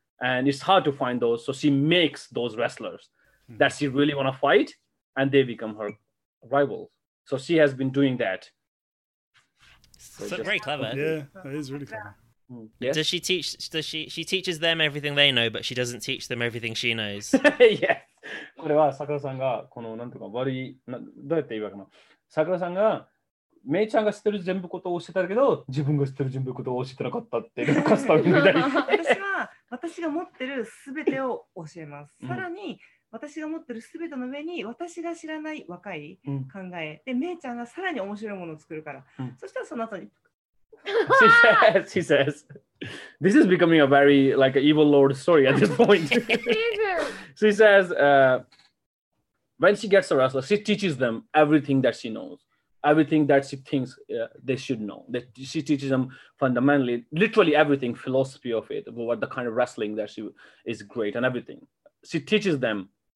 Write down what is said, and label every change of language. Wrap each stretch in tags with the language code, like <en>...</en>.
<en>And it's hard to find those. So she makes those wrestlers that she really want to fight. And they become her rivals. So she has been doing that. So just... very clever. Yeah, that is really clever. Yes. Does she teach? Does she teaches them everything they know, but she doesn't teach them everything she knows. Yeah.</en> <ja>これはさくらさんがこのなんとか悪い、どうやって言うわけかな。さくらさんがめいちゃんが知ってる全部ことを教えたけど、自分が知ってる全部ことを教えてなかったっていうカスタムみたいな。私は私が持ってるすべてを教えます。さらに。私が持ってるすべての上に私が知らない若い考え、うん、でめいちゃんがさらに面白いものを作るから、うん、そしたらその後に</ja> <en>she, says, she says this is becoming a very like an evil lord story at this point. She says when she gets a wrestler, she teaches them everything that she knows, everything that she thinks they should know, that she teaches them fundamentally, literally everything, philosophy of it, what the kind of wrestling that she is great and everything. She teaches them.</en>